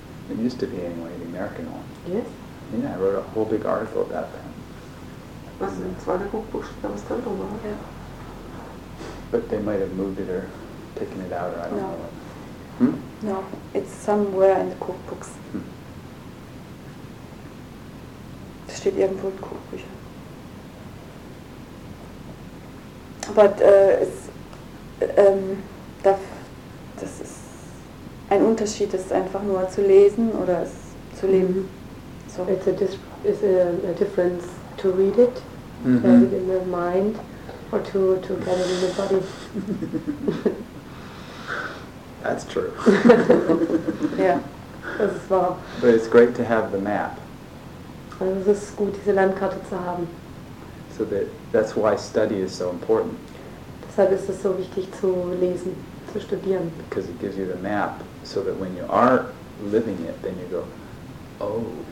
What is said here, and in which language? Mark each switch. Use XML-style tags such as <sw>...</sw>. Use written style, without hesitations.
<en>It used to be anyway, the American one. Yes? Yeah, I wrote a whole big article about that.</en> <de>Was in zweiter Cookbook steht, was da drüber?</de> <en>Yeah. But they might have moved it or taken it out, or I don't know. No, it's somewhere in the cookbooks.</en> <de>Es steht irgendwo in Kochbüchern. But das ist ein Unterschied, das ist einfach nur zu lesen oder es zu leben.</de> <en>So. It's a difference to read it, to have it in your mind. Or to get it in the body. That's true. Yeah,</en> <de>das ist wahr.</de> <en>But it's great to have the map.</en> <de>Also es ist gut, diese Landkarte zu haben.</de> <en>So that's why study is so important.</en> <de>Deshalb ist es so wichtig zu lesen, zu studieren.</de> <en>Because it gives you the map, so that when you are living it, then you go, oh.</en>